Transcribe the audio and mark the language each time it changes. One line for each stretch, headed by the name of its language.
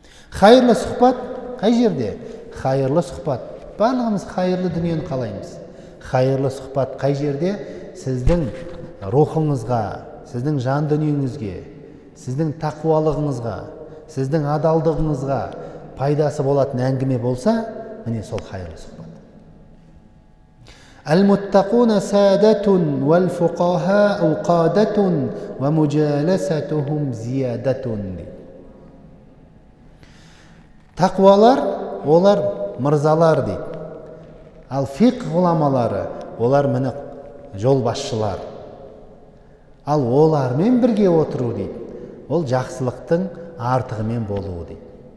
Kazakh: Хайырлы сұхбат қай жерде? Хайырлы сұхбат, барлығымыз хайырлы дүниені қалаймыз. Хайырлы сұхбат қай жерде? Сіздің рухыңызға, сіздің жан дүниеңізге, сіздің тақуалығыңызға, сіздің адалдығыңызға пайдасы болатын әңгіме болса, міне сол хайырлы сұхбат.
Arabic: المتقون سادة والفقهاء قادة ومجالستهم زيادة.
Kazakh: Тақвалар олар мырзалар дейді. Ал фиқ ғұламалары олар міне жолбасшылар. Ал олармен бірге отыру дейді. Ол жақсылықтың артығымен болуы дейді.